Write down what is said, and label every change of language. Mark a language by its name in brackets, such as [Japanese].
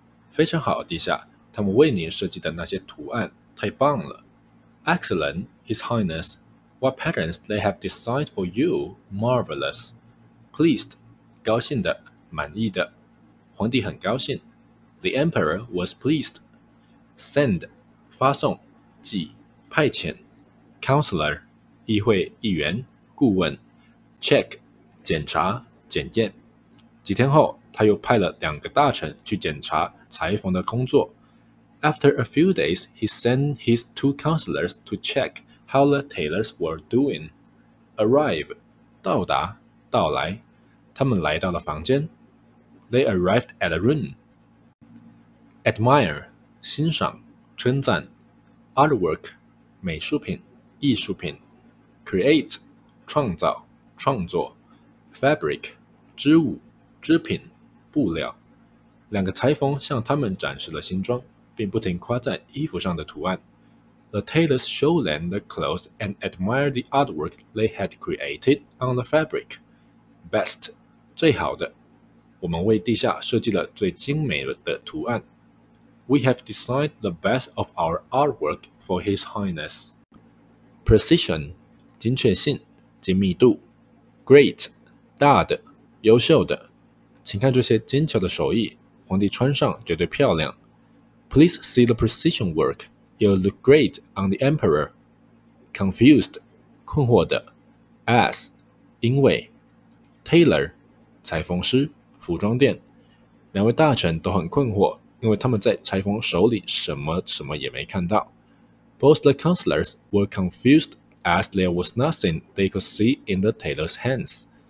[Chinese] 非常好，陛下，他们为您设计的那些图案，太棒了。 [English] Excellent, His Highness. What patterns they have designed for you, marvelous. [Chinese] Pleased, 高兴的，满意的。皇帝很高兴。 [English] The emperor was pleased. Send, 发送，寄，派遣。 [Chinese] Counselor, 议会议员，顾问。Check, 检查，检验。几天后，他又派了两个大臣去检查裁缝的工作。 [English] After a few days, he sent his two counselors to check. How the tailors were doing. Arrive, 到达，到来。 [Chinese] 他们来到了房间。 [English] They arrived at a room. [Chinese] Admire, 欣赏，称赞。Artwork, 美术品，艺术品。 Create, 创造，创作。Fabric, 织物，织品，布料。两个裁缝向他们展示了新装，并不停夸赞衣服上的图案。 [English] The tailors showed them the clothes and admired the artwork they had created on the fabric. [Chinese] Best, 最好的。我们为陛下设计了最精美的图案。 [English] We have designed the best of our artwork for His Highness. [Chinese] Precision, 精确性，精密度。Great, 大的，优秀的。请看这些精巧的手艺，皇帝穿上绝对漂亮。 [English] Please see the precision work. You'll look great on the emperor. [Chinese] Confused, 困惑的。As, 因为。 Tailor, 裁缝师，服装店。两位大臣都很困惑，因为他们在裁缝手里什么什么也没看到。 [English] Both the counselors were confused as there was nothing they could see in the tailor's hands.